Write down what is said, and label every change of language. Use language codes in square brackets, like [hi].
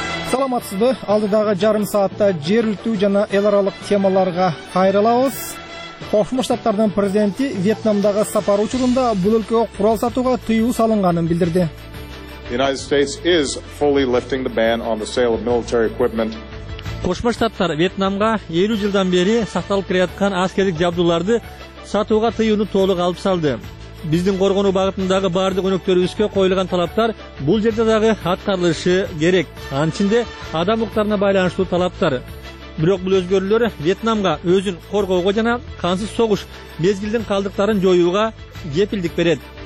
[ky] Саламатсызбы, алдыдагы жарым саатта жер үлтүү жана эл аралык темаларга кайрылабыз. Кошмо Штаттардын президенти Вьетнамдагы сапары учурунда бул өлкөгө курал сатууга тыюу салынганын билдирди. [en] The United States is fully lifting the ban on the sale of military equipment. [ky] Кошмо Штаттар Вьетнамга 50 жылдан бери сакталып келаткан аскердик жабдууларды сатууга тыюуну толук алып салды. Биздин коргонуу багытындагы баардык өнөктөрүбүзгө коюлган талаптар бул жерде дагы аткарылышы керек. Анын ичинде адам укуктарына байланыштуу талаптар. Бирок бул өзгөрүүлөр Вьетнамга өзүн коргоого жана кансыз согуш мезгилдин калдыктарын жоюуга кепилдик берет.